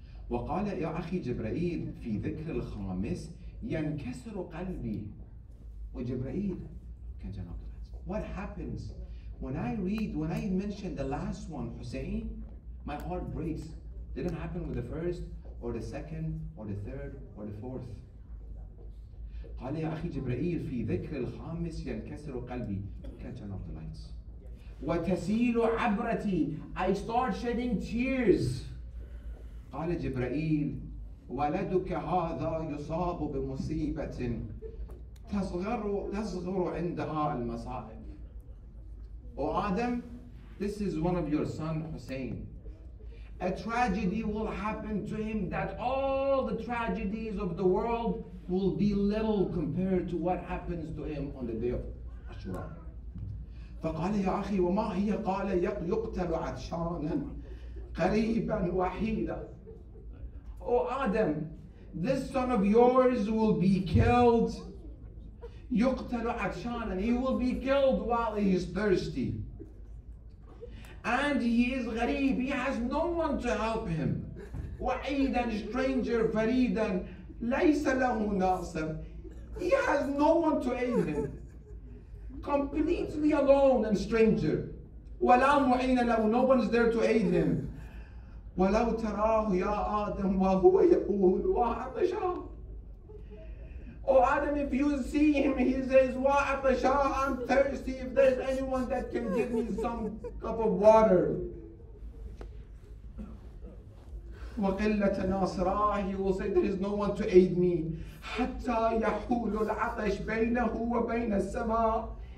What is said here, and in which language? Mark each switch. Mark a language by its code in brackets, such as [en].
[ar] وَقَالَ يَا أَخِي جِبْرَئِيلُ فِي ذِكْرِ الْخَامِسِ يَنْكَسِرُ قَلْبِي. وَجِبْرَئِيلُ [en] can't get up to that. What happens when I read, when I mention the last one, Hussein, my heart breaks. Didn't happen with the first, or the second, or the third, or the fourth. [ar] قال يا أخي جبرائيل في ذكر الخامس ينكسر قلبي. [en] Can't turn off the lights. [ar] وتسيل عبرتي. [en] I start shedding tears. [ar] قال جبرائيل ولدك هذا يصاب بمصيبة تصغر عندها المصائب. [en] Oh Adam, this is one of your son Hussein. A tragedy will happen to him that all the tragedies of the world will be little compared to what happens to him on the day of Ashura. [ar] فقال يا أخي وما هي؟ قال يقتل عطشانا قريبا وحيدا. [en] Oh Adam, this son of yours will be killed. [ar] يقتل عطشانا, [en] he will be killed while he is thirsty. And he is غريب, he has no one to help him. [ar] وحيدا, stranger, فريدا, ليس له ناصر. [en] He has no one to aid him. Completely alone and stranger. [ar] ولا معين له, [en] no one is there to aid him. [ar] ولو تراه يا آدم وهو يقول وعطشا. [en] Oh Adam, if you see him, he says, وعطشا, I'm thirsty, if there's anyone that can give me some cup of water. [ar] وقلة ناصراه, [en] he will say, there is no one to aid me. [ar] حتى يحول العطش بينه وبين السماء.